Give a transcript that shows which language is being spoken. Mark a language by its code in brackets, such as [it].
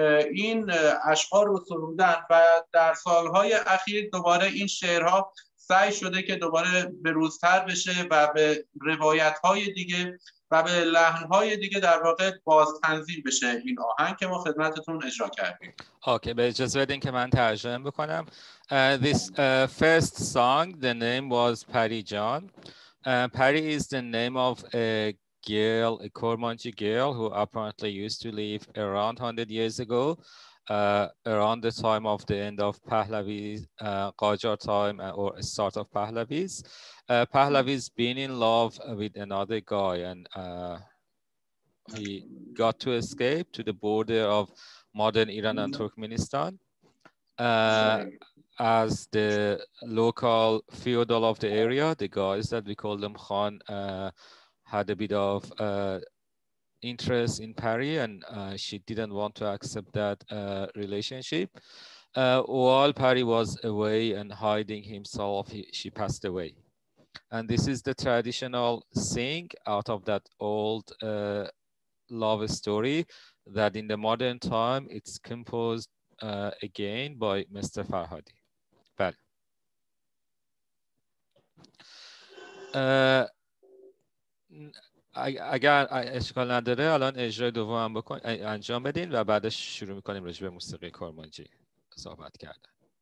[fa] این اشعار رو سرودن و در سالهای اخیر دوباره این شعرها سعی شده که دوباره بروزتر بشه و به روایت‌های دیگه و به لحن‌های دیگه در واقع باز تنظیم بشه. این آهنگ که ما خدمتتون اجرا کردیم. اوکی، به اجازه بدین که من ترجمه بکنم. [en] This first song, the name was Pari Jan. Pari is the name of a girl, a Kurmanji girl who apparently used to live around 100 years ago, around the time of the end of Pahlavi, Qajar time or start of Pahlavi's. Pahlavi's been in love with another guy and he got to escape to the border of modern Iran and Turkmenistan. As the local feudal of the area, the guys that we call them Khan, had a bit of interest in Pari, and she didn't want to accept that relationship. While Pari was away and hiding himself, she passed away. And this is the traditional thing out of that old love story that in the modern time, it's composed again by Mr. Farhadi. [fa] But, اگر اشکال نداره الان اجرای دوم هم بکنید، انجام بدین و بعدش شروع میکنیم راجع به موسیقی کرمانجی صحبت کردن.